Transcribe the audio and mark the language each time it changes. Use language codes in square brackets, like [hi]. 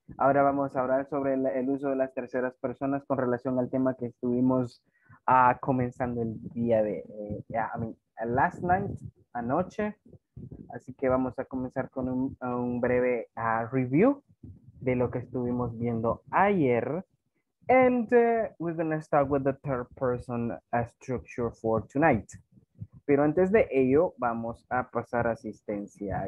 [es] Ahora vamos a hablar sobre el uso de las terceras personas con relación al tema que estuvimos comenzando el día de... [en] last night, [es] anoche. Así que vamos a comenzar con un breve review de lo que estuvimos viendo ayer. [en] And we're going to start with the third person structure for tonight. [es] Pero antes de ello, vamos a pasar asistencia.